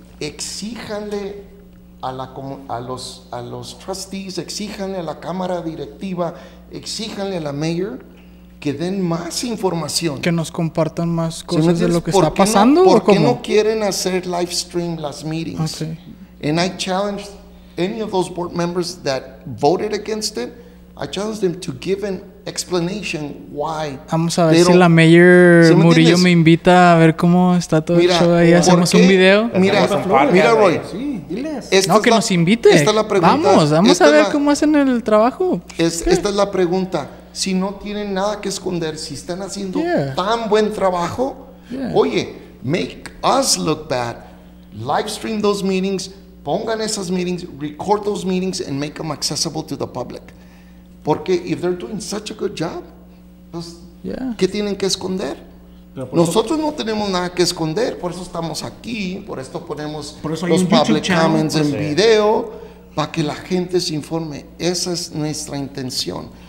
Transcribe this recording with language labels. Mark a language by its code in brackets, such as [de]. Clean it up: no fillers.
[es] Exíjanle a los trustees, exíjanle a la cámara directiva, exíjanle a la mayor que den más información. Que nos compartan más cosas de lo que está pasando. No, ¿o ¿por cómo? ¿Qué no quieren hacer live stream las meetings? [en] Okay. And I challenged any of those board members that voted against it, I challenged them to give an explanation why. [es] Vamos a ver si la Mayor Murillo me invita a ver cómo está todo el show ahí. Hacemos un video. Mira, mira, Roy. Sí, diles. Esta no, es que la, nos invite. Esta es la pregunta. Vamos a ver cómo hacen el trabajo. Esta es la pregunta. Si no tienen nada que esconder, si están haciendo tan buen trabajo, oye, [en] make us look bad. Livestream those meetings. [es] Pongan esas meetings. [en] Record those meetings and make them accessible to the public. Porque if they're doing such a good job, [es] pues, ¿qué tienen que esconder? Nosotros no tenemos nada que esconder. Por eso estamos aquí. Por esto ponemos los public comments en video. Para que la gente se informe. Esa es nuestra intención.